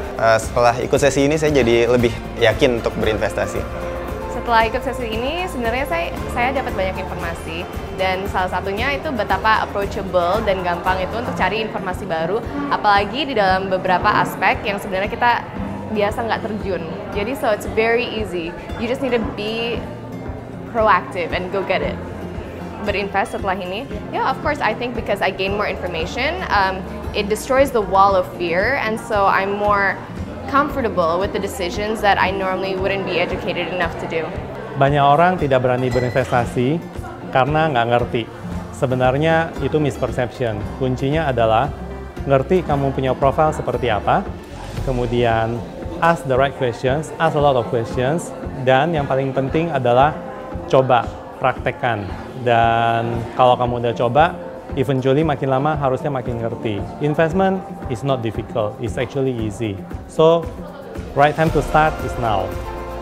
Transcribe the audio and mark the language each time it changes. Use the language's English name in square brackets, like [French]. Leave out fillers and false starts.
[Indonesian] Setelah ikut sesi ini saya jadi lebih yakin untuk berinvestasi. Setelah ikut sesi ini sebenarnya saya dapat banyak informasi dan salah satunya itu betapa approachable dan gampang itu untuk cari informasi baru, apalagi di dalam beberapa aspek yang sebenarnya kita biasa nggak terjun. Jadi [English] so it's very easy, you just need to be proactive and go get it. [Indonesian] Berinvest setelah ini, [English] yeah of course I think because I gain more information, it destroys the wall of fear and so I'm more comfortable with the decisions that I normally wouldn't be educated enough to do. [Indonesian] Banyak orang tidak berani berinvestasi karena nggak ngerti. Sebenarnya itu misperception. Kuncinya adalah ngerti kamu punya profil seperti apa, kemudian [English] ask the right questions, ask a lot of questions, [Indonesian] dan yang paling penting adalah coba, praktekkan. Dan kalau kamu udah coba, eventually makin lama harusnya makin ngerti. [English] Investment is not difficult, it's actually easy. So, right time to start is now.